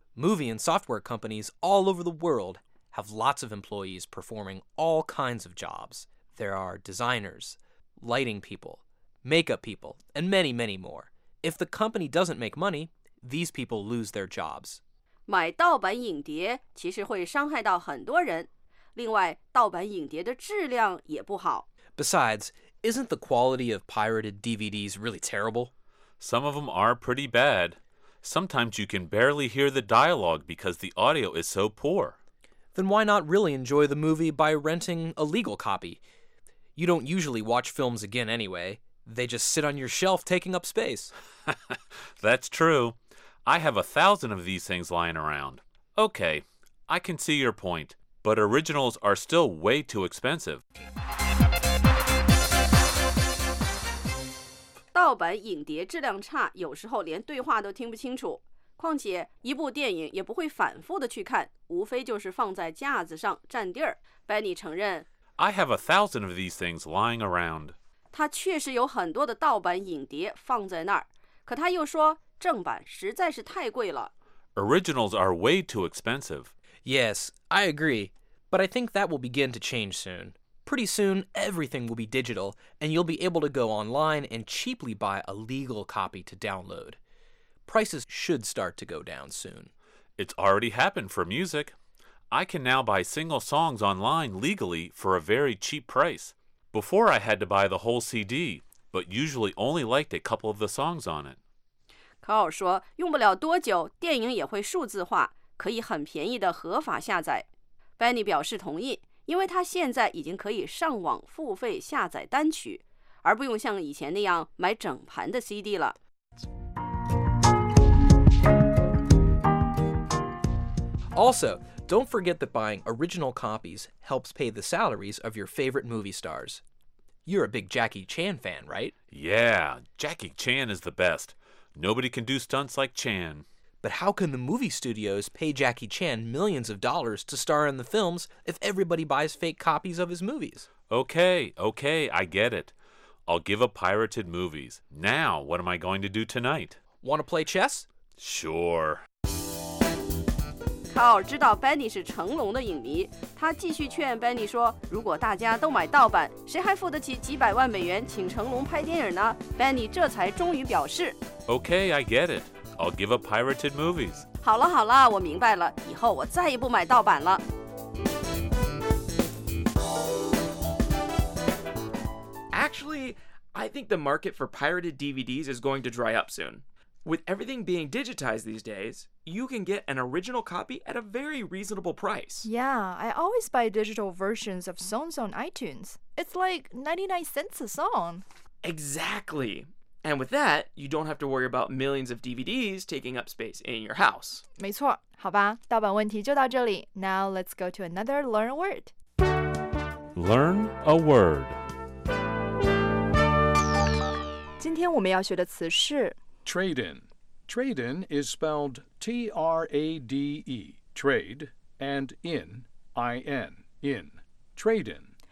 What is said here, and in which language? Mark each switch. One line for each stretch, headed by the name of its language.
English: Movie and software companies all over the world have lots of employees performing all kinds of jobs. There are designers, lighting people.” Makeup people, and many, many more. If the company doesn't make money, these people lose their jobs.
Chinese: 买盗版影碟其实会伤害到很多人。另外，盗版影碟的质量也不好。
English: Besides, isn't the quality of pirated DVDs really terrible? Some of them are pretty bad. Sometimes you can barely hear the dialogue because the audio is so poor. Then why not really enjoy the movie by renting a legal copy? You don't usually watch films again anyway. They just sit on your shelf taking up space. That's true. I have 1,000 of these things lying around. Okay, I can see your point, but originals are still way too expensive.
Chinese: 盗版影碟质量差，有时候连对话都听不清楚。况且一部电影也不会反复的去看，无非就是放在架子上占地儿。 Benny 承认
English: I have 1,000 of these things lying around.
Chinese: 他确实有很多的盗版影碟放在那儿，可他又说正版实在是太贵了。
English: Originals are way too expensive. Yes, I agree. But I think that will begin to change soon. Pretty soon, everything will be digital, and you'll be able to go online and cheaply buy a legal copy to download. Prices should start to go down soon. It's already happened for music. I can now buy single songs online legally for a very cheap price. Before I had to buy the whole CD, but usually only liked a couple of the songs on it.
Chinese: Carl 说，用不了多久，电影也会数字化，可以很便宜的合法下载。Benny 表示同意，因为他现在已经可以上网付费下载单曲，而不用像以前那样买整盘的 CD 了。
English: Also, don't forget that buying original copies helps pay the salaries of your favorite movie stars. You're a big Jackie Chan fan, right? Yeah, Jackie Chan is the best. Nobody can do stunts like Chan. But how can the movie studios pay Jackie Chan millions of dollars to star in the films if everybody buys fake copies of his movies? Okay, I get it. I'll give up pirated movies. Now, what am I going to do tonight? Want to play chess? Sure.
Chinese: Carl 知道 Benny 是成龙的影迷，他继续劝 Benny 说，如果大家都买盗版，谁还付得起几百万美元请成龙拍电影呢？ Benny 这才终于表示
English: Okay, I get it. I'll give up pirated movies.
Chinese: 好了，我明白了，以后我再也不买盗版了。
English: Actually, I think the market for pirated DVDs is going to dry up soon. With everything being digitized these days, you can get an original copy at a very reasonable price. Yeah, I always buy digital versions of songs on iTunes. It's like 99 cents a song. Exactly. And with that, you don't have to worry about millions of DVDs taking up space in your house.
Chinese: 没错，好吧，盗版问题就到这里。
English: Now let's go to another Learn a Word. Learn a Word.
Chinese: 今天我们要学的词是
English: trade-in. Trade-in is spelled T-R-A-D-E, trade, and in, I-N, in. Trade-in.